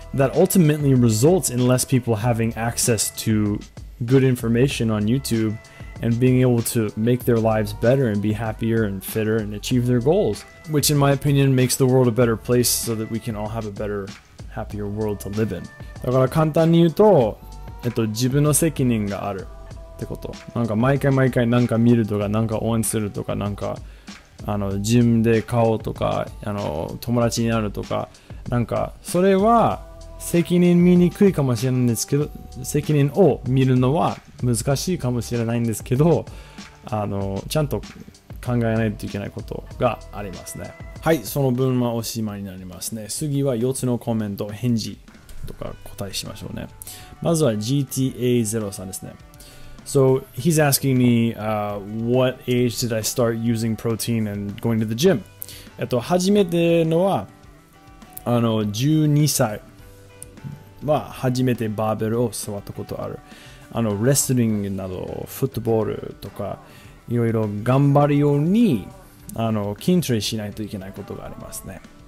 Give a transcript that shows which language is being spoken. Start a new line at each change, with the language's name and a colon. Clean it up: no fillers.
English: That ultimately results in less people having access to good information on YouTube and being able to make their lives better and be happier and fitter and achieve their goals, which in my opinion makes the world a better place so that we can all have a better, happier world to live in.
Japanese: だから簡単に言うと、自分の責任があるってこと。なんか毎回毎回なんか見るとか、なんか応援するとか、なんかあのジムで買おうとか、あの友達になるとか、なんかそれは責任見にくいかもしれないんですけど、責任を見るのは難しいかもしれないんですけど、あのちゃんと考えないといけないことがありますね。はい、その分はおしまいになりますね。次は4つのコメント返事とか答えしましょうね。まずは GTA03 ですね。
English: So he's asking me, what age did I start using protein and going to the gym?
Japanese: 初めてのは、あの、12歳は初めてバーベルを座ったことある。あの、レスリングなど、フットボールとか、いろいろ頑張るように、あの、筋トレしないといけないことがありますね。